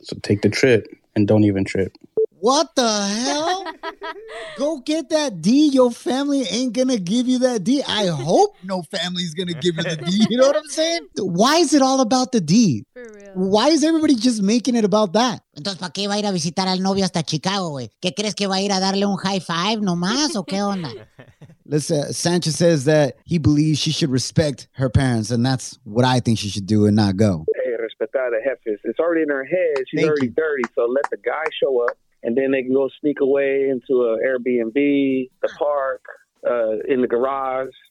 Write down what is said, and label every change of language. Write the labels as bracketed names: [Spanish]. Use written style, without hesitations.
[English] So take the trip and don't even trip. What the hell? Go get that D. Your family ain't gonna give you that D. I hope no family's gonna give you the D. You know what I'm saying? Why is it all about the D? For real. Why is everybody just making it about that? [Spanish] Entonces, ¿para qué va a ir a visitar al novio hasta Chicago, güey? ¿Qué crees que va a ir a darle un high five nomás o qué onda? [English] Listen, Sanchez says that he believes she should respect her parents, and that's what I think she should do and not go. Hey, [Spanish] respeta de jefes. [English] It's already in her head. She's Thank already you. Dirty, so let the guy show up, and then they can go sneak away into an Airbnb, the park, in the garage.